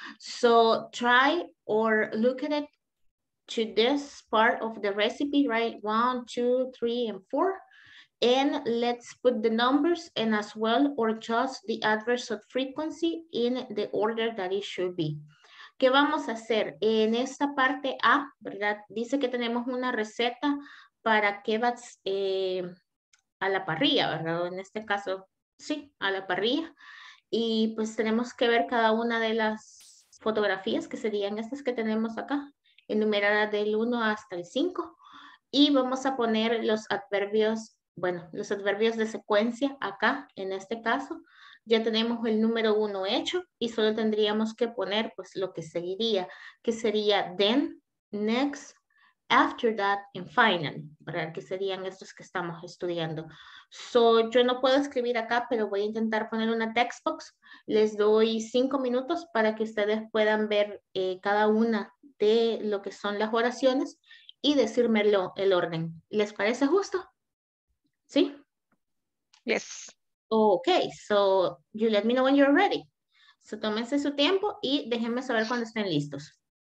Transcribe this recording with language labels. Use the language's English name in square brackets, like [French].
[English] So try or look at it to this part of the recipe, right? 1, 2, 3, and 4. And let's put the numbers and as well, or just the adverbs of frequency in the order that it should be. [Spanish] ¿Qué vamos a hacer? En esta parte A, ¿verdad? Dice que tenemos una receta para kebabs a la parrilla, ¿verdad? En este caso, sí, a la parrilla. Y pues tenemos que ver cada una de las fotografías, que serían estas que tenemos acá, enumeradas del 1 hasta el 5. Y vamos a poner los adverbios, bueno, los adverbios de secuencia acá, en este caso, ya tenemos el número uno hecho y solo tendríamos que poner pues lo que seguiría, que sería [English] then, next, after that, and finally, [Spanish] ¿verdad? Que serían estos que estamos estudiando. So, yo no puedo escribir acá, pero voy a intentar poner una text box. Les doy 5 minutos para que ustedes puedan ver cada una de lo que son las oraciones y decírmelo el orden. ¿Les parece justo? ¿Sí? [English] Yes. Okay, so you let me know when you're ready. [Spanish] So tómense su tiempo y déjenme saber cuando estén listos.